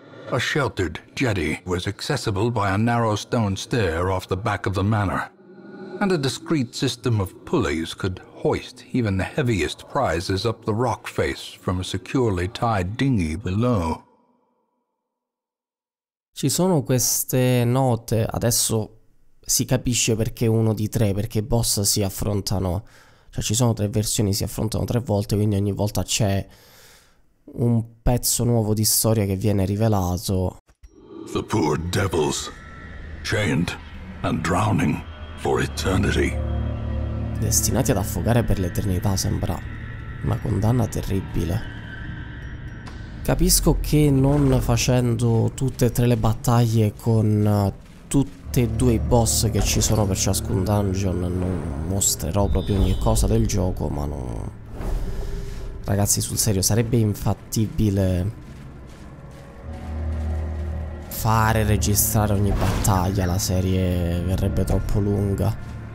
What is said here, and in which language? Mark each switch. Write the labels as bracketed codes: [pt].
[en] A sheltered jetty was accessible by a narrow stone stair off the back of the manor, and a discreet system of pulleys could hoist even the heaviest prizes up the rock face from a securely tied dinghy below. [it] Ci sono queste note adesso. Si capisce perché uno di tre, perché i boss si affrontano, cioè ci sono tre versioni, si affrontano tre volte, quindi ogni volta c'è un pezzo nuovo di storia che viene rivelato. [en] The poor devils, chained and drowning for eternity. [it] Destinati ad affogare per l'eternità, sembra una condanna terribile. Capisco che non facendo tutte e tre le battaglie con tutti e due boss che ci sono per ciascun dungeon non mostrerò proprio ogni cosa del gioco, ma non, ragazzi, sul serio, sarebbe infattibile fare registrare ogni battaglia, la serie verrebbe troppo lunga.